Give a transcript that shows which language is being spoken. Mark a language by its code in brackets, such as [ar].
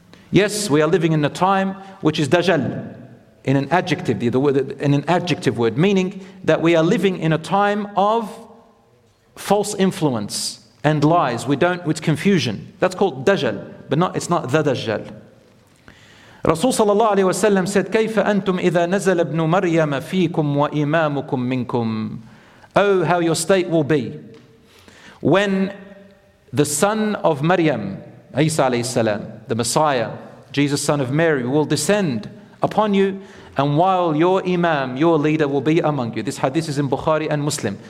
[en] Yes, we are living in a time which is Dajjal, in an adjective, the word, meaning that we are living in a time of false influence and lies. It's confusion. That's called Dajjal, but it's not the Dajjal. Rasul sallallahu alayhi wa sallam said, [ar] كَيْفَ أَنْتُمْ إِذَا نَزَلَ ابْنُ مَرْيَمَ فِيكُمْ وَإِمَامُكُمْ مِنْكُمْ. [en] Oh, how your state will be when the son of Maryam, Isa alayhi salam, the Messiah, Jesus son of Mary, will descend upon you, and while your imam, your leader, will be among you. This hadith is in Bukhari and Muslim.